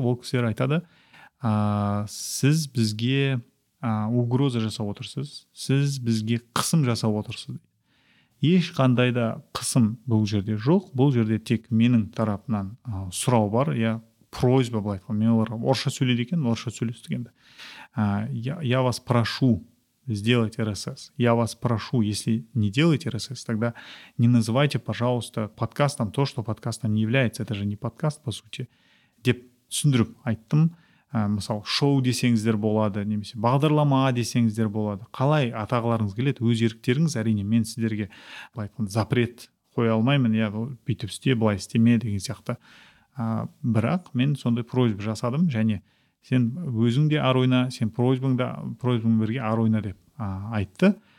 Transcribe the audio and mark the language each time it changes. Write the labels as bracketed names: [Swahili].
[Kazakh] Ол кісілер айтады, сіз бізге угроза жасап отырсыз, сіз бізге қысым жасап отырсыз. Ешқандай да қысым бұл жерде жоқ. Бұл жерде тек менің тарапынан сұрау бар, я, просьба, былай айтқан. Мен оларға орысша сөйледі екен, орысша сөйлесті екенді. [Russian] Я вас прошу сделать RSS. Я вас прошу, если не делаете RSS, тогда не называйте, пожалуйста, подкастом то, что подкастом не является. Это же не подкаст, по сути. [Kazakh] Деп түсіндіріп айттым. Мысалы, шоу десеңіздер болады, немесе бағдарлама десеңіздер болады. Қалай атағыларыңыз келеді, өз еріктеріңіз, әрине, мен сіздерге былай айтқан запрет қоя алмаймын. Я, бүйтіп істе, былай істеме деген сияқты. Бірақ мен сондай просьба жасадым және сен өзің де ар ойна, сен просьбаң бірге ар ойна деп айтты.